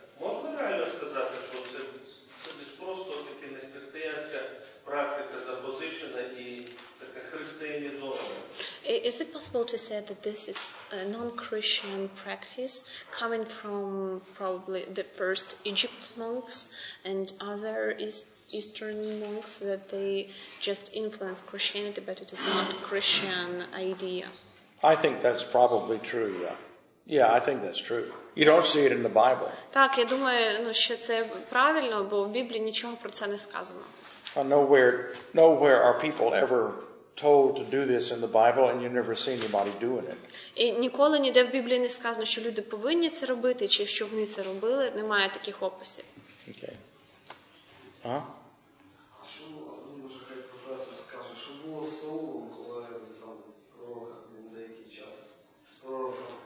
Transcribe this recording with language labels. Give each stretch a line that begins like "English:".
Ukrainian: Можна реально сказати, що це десь просто таке нехристиянська практика запозичена і така християнізована? І
English: Is it possible to say that this is a non-Christian practice coming from probably the first Egypt monks and other Eastern monks, that they just influenced Christianity, but it is not a Christian idea? I think that's probably true, yeah. Yeah, I think that's true. You don't see it in the Bible.
Ukrainian: Так, я думаю, ну, що це правильно, бо в Біблії нічого про це не сказано.
English: Nowhere are people ever told to do this in the Bible, and you never see anybody doing it.
Ukrainian: І ніколи ніде в Біблії не сказано, що люди повинні це робити, чи що вони це робили, немає таких описів.
English: Okay. А?
Ukrainian: Що, ну, може, хай професор скаже, що було з Саулом, коли там пророк був деякий час, з пророком?